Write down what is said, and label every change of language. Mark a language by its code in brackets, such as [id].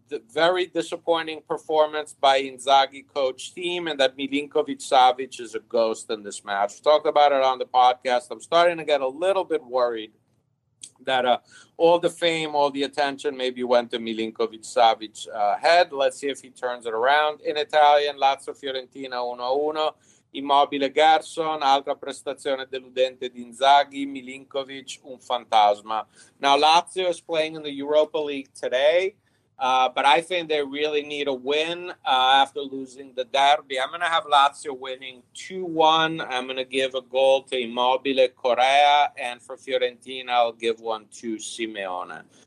[en] Very disappointing performance by Inzaghi coach team, and that Milinkovic-Savic is a ghost in this match. Talked about it on the podcast. I'm starting to get a little bit worried that all the fame, all the attention maybe went to Milinkovic-Savic head. Let's see if he turns it around. In Italian, Lazio-Fiorentina 1-1. [it] Immobile Gerson, altra prestazione deludente di Inzaghi, Milinkovic, un fantasma. [en] Now, Lazio is playing in the Europa League today, but I think they really need a win after losing the derby. I'm going to have Lazio winning 2-1. I'm going to give a goal to Immobile Correa, and for Fiorentina, I'll give one to Simeone.